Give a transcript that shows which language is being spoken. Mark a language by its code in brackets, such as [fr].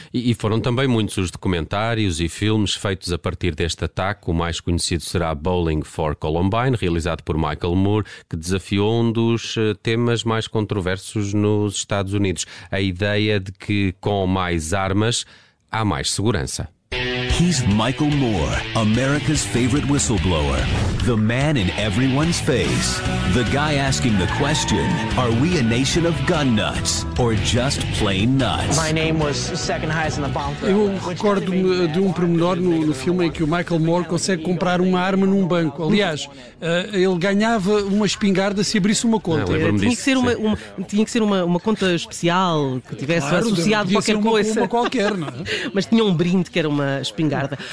[pt] E foram também muitos os documentários e filmes feitos a partir deste ataque. O mais conhecido será Bowling for Columbine, realizado por Michael Moore, que desafiou um dos temas mais controversos nos Estados Unidos. A ideia de que com mais armas há mais segurança. [en] He's Michael Moore, America's favorite whistleblower. The man in everyone's face. The guy asking the question, are we a nation of gun nuts or just plain nuts? My name was second highest in the bomb threat. [pt] Eu recordo-me de um pormenor no filme em que o Michael Moore consegue comprar uma arma num banco. Aliás, ele ganhava uma espingarda se abrisse uma conta. Não, tinha que ser uma conta especial que tivesse claro, associado qualquer coisa. Uma qualquer, não é? Mas tinha um brinde que era uma espingarda.